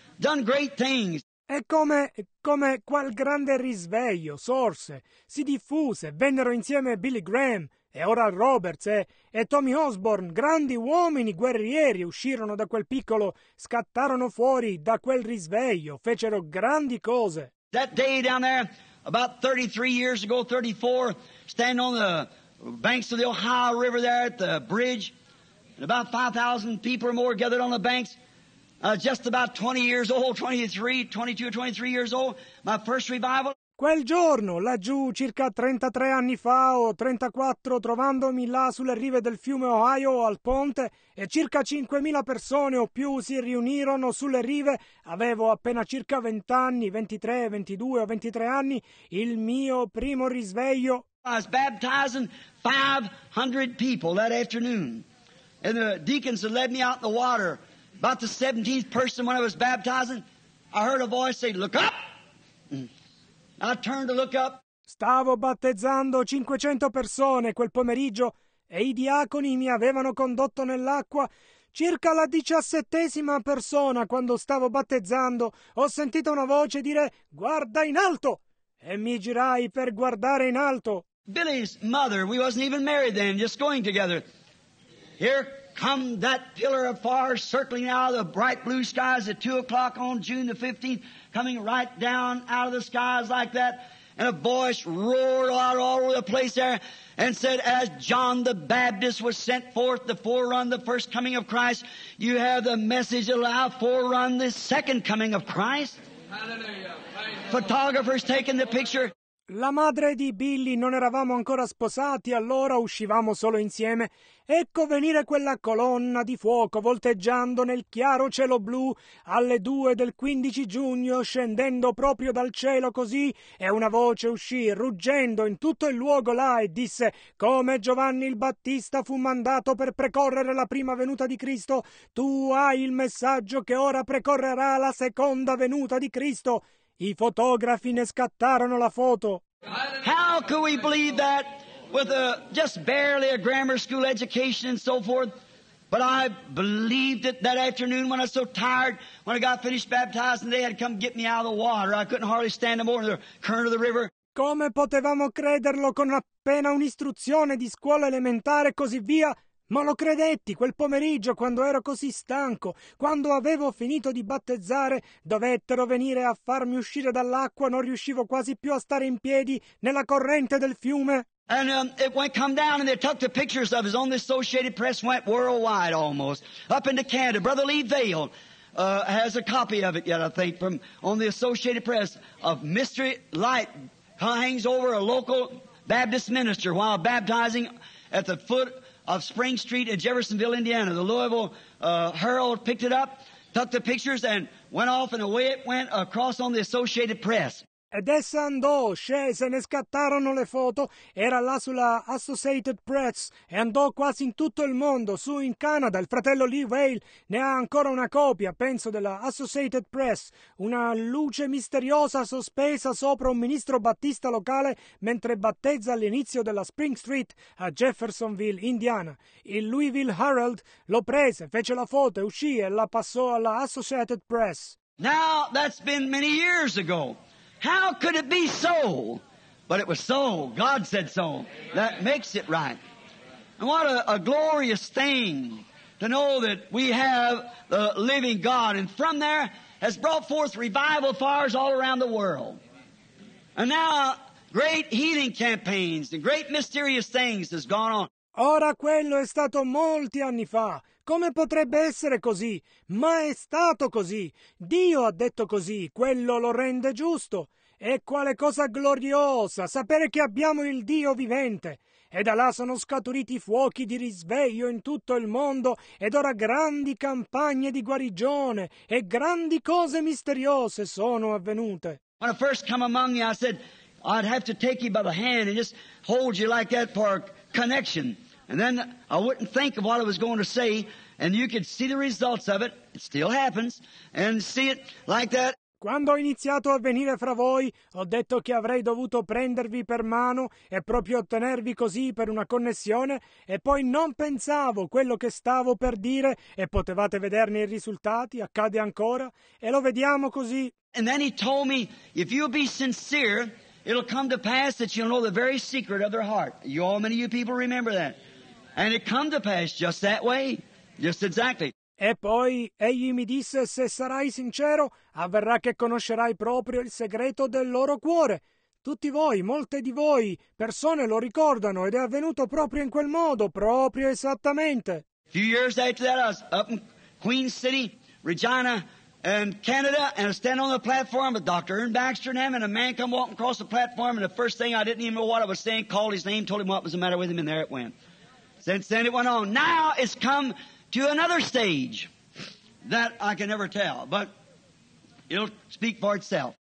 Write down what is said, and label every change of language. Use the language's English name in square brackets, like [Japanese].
[English] Done great things. [Italian] E come quel grande risveglio sorse, si diffuse, vennero insieme Billy Graham e Oral Roberts e Tommy Osborne, grandi uomini guerrieri, uscirono da quel piccolo, scattarono fuori da quel risveglio, fecero grandi cose. [English] That day down there, about 33 years ago, 34, standing on the banks of the Ohio River there at the bridge, and about 5,000 people or more gathered on the banks, just about 20 years old, 23, 22 or 23 years old, my first revival. [Italian] Quel giorno, laggiù, circa 33 anni fa o 34, trovandomi là sulle rive del fiume Ohio al ponte, e circa 5.000 persone o più si riunirono sulle rive, avevo appena circa 20 anni, 23, 22 o 23 anni, il mio primo risveglio. [English] I was baptizing 500 people that afternoon, and the deacons had led me out in the water. About the 17th person when I was baptizing, I heard a voice say, "Look up!" I turned to look up. [Italian] Stavo battezzando 500 persone quel pomeriggio e i diaconi mi avevano condotto nell'acqua, circa la 17ª persona quando stavo battezzando ho sentito una voce dire «Guarda in alto!» e mi girai per guardare in alto. [English] Billy's mother, we wasn't even married then, just going together. Here come that pillar of fire circling out of the bright blue skies at 2 o'clock on June the 15th, coming right down out of the skies like that. And a voice roared out all over the place there and said, as John the Baptist was sent forth to forerun the first coming of Christ, you have the message that will now forerun the second coming of Christ. Hallelujah. Photographer's taking the picture. [Italian] La madre di Billy, non eravamo ancora sposati, allora uscivamo solo insieme. Ecco venire quella colonna di fuoco volteggiando nel chiaro cielo blu alle 2 del 15 giugno, scendendo proprio dal cielo così, e una voce uscì ruggendo in tutto il luogo là e disse: come Giovanni il Battista fu mandato per precorrere la prima venuta di Cristo, tu hai il messaggio che ora precorrerà la seconda venuta di Cristo. I fotografi ne scattarono la foto. [English] How could we believe that with just barely a grammar school education and so forth? But I believed it that afternoon when I was so tired, when I got finished baptizing, they had come get me out of the water. I couldn't hardly stand no more in the current of the river. [Italian] Come potevamo crederlo con appena un'istruzione di scuola elementare e così via? Ma lo credetti quel pomeriggio quando ero così stanco, quando avevo finito di battezzare, dovettero venire a farmi uscire dall'acqua, non riuscivo quasi più a stare in piedi nella corrente del fiume. [English] And it went come down and they took the pictures of his own Associated Press, went worldwide almost, up into Canada. Brother Lee Vale has a copy of it yet, I think, from on the Associated Press of Mystery Light, hangs over a local Baptist minister while baptizing at the foot of Spring Street in Jeffersonville, Indiana. The Louisville Herald picked it up, took the pictures, and went off, and away it went across on the Associated Press. [Italian] Ed essa andò, scese, ne scattarono le foto, era là sulla Associated Press, e andò quasi in tutto il mondo, su in Canada. Il fratello Lee Vale ne ha ancora una copia, penso, della Associated Press, una luce misteriosa sospesa sopra un ministro battista locale mentre battezza all'inizio della Spring Street a Jeffersonville, Indiana. Il Louisville Herald lo prese, fece la foto, uscì e la passò alla Associated Press. [English] Now, that's been many years ago. How could it be so? But it was so. God said so. That makes it right. And what a glorious thing to know that we have the living God. And from there has brought forth revival fires all around the world. And now great healing campaigns and great mysterious things has gone on. [Italian] Ora quello è stato molti anni fa. Come potrebbe essere così? Ma è stato così. Dio ha detto così. Quello lo rende giusto. E quale cosa gloriosa sapere che abbiamo il Dio vivente. E da là sono scaturiti fuochi di risveglio in tutto il mondo ed ora grandi campagne di guarigione e grandi cose misteriose sono avvenute. [English] When I first come among you, I said, I'd have to take you by the hand and just hold you like that for connection. And then I wouldn't think of what I was going to say, and you could see the results of it. It still happens. And see it like that. [Italian] Quando ho iniziato a venire fra voi, ho detto che avrei dovuto prendervi per mano e proprio tenervi così per una connessione, e poi non pensavo quello che stavo per dire, e potevate vederne i risultati, accade ancora, e lo vediamo così. [English] And then he told me, if you'll be sincere, it'll come to pass that you'll know the very secret of their heart. You all, many of you people remember that. And it come to pass just that way, just exactly. [Italian] E poi egli mi disse, se sarai sincero, avverrà che conoscerai proprio il segreto del loro cuore. Tutti voi, molte di voi, persone lo ricordano ed è avvenuto proprio in quel modo, proprio esattamente. [English] A few years after that, I was up in Queen City, Regina, and Canada, and I was standing on the platform with Dr. Ern Baxter and him, and a man come walking across the platform, and the first thing, I didn't even know what I was saying, called his name, told him what was the matter with him, and there it went. Since then it went on. Now it's come to another stage that I can never tell, but it'll speak for itself.